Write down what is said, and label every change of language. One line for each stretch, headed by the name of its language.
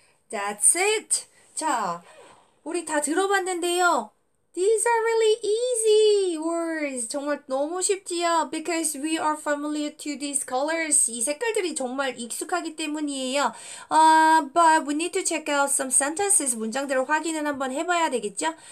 English: That's it.
Korean: 자. 우리 다 들어봤는데요.
English: These are really easy words.
Korean: 정말 너무 쉽지요.
English: Because we are familiar to these colors.
Korean: 이 색깔들이 정말 익숙하기 때문이에요.
English: But we need to check out some sentences.
Korean: 문장들을 확인을 한번 해봐야 되겠죠?